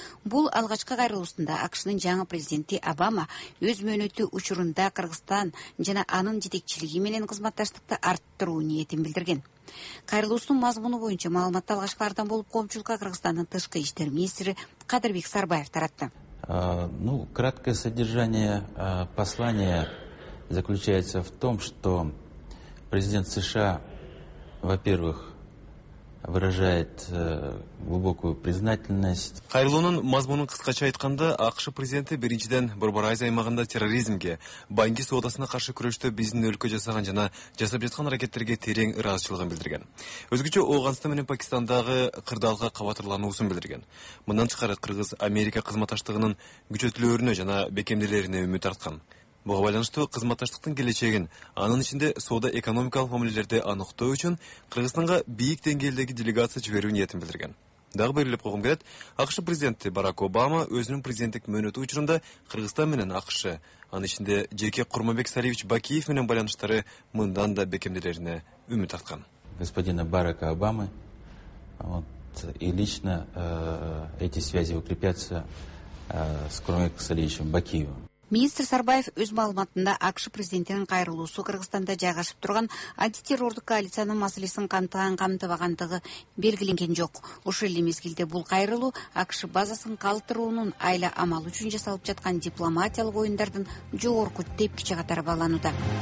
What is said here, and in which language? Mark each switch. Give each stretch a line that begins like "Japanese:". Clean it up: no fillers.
Kyrgyz: Бул алгачкы кайрылуусунда АКШнын жаңы президенти Обама өз мөөнөтү учурунда Кыргызстан жана анын жетекчилиги менен кызматташтыкты арттыруу ниетин билдирген. Кайрылуусунун мазмуну боюнча маалыматты алгачкылардан болуп коомчулукка Кыргызстандын тышкы иштер министри Кадырбек Сарбаев таратты.
Russian: Краткое содержание послания заключается в том, что президент США, во-первых, выражает глубокую признательность.
Kyrgyz: Кайрылуунун мазмунун кыскача айтканда АКШ президенти биринчиден Борбор Азия аймагында терроризмге, баңги соодасына каршы күрөштө биздин өлкө жасаган жана жасап жаткан аракеттерге терең ыраазычылыгын билдирген. Өзгөчө Ооганстан менен Пакистандагы кырдаалга кабатырлануусун билдирген. Мындан тышкары Кыргыз Америка кызматташтыгынын күчөтүлөрүнө жана бекемделерине үмүт арткан. Буга байланыштуу кызматташтыктын келечегин, анын ичинде соода экономикалык мамилелерди аныктоо үчүн Кыргызстанга бийик деңгээлдеги делегация жиберүү ниетин билдирген. Дагы берилип койгум келет, АКШ президенти Барак Обама өзүнүн президенттик мөөнөтү учурунда Кыргызстан менен АКШ, анын ичинде жеке Курманбек Салиевич Бакиев менен байланыштары мындан да бекемделерине үмүт арткан.
Russian: Господина Барака Обамы и лично эти связи укрепятся с Курманбеком Салиевичем Бакиевым.
Kyrgyz: Министр Сарбаев өз маалыматында АКШ президентинин кайрылуусу Кыргызстанда жайгашып турган антитеррордук коалициянын маселесин камтыган камтыбагандыгы белгиленген жок. Ошол эле мезгилде бул кайрылуу АКШ базасын калтыруунун айла амал үчүн жасалып жаткан дипломатиялык оюндардын жогорку тепкичи катары баалануда.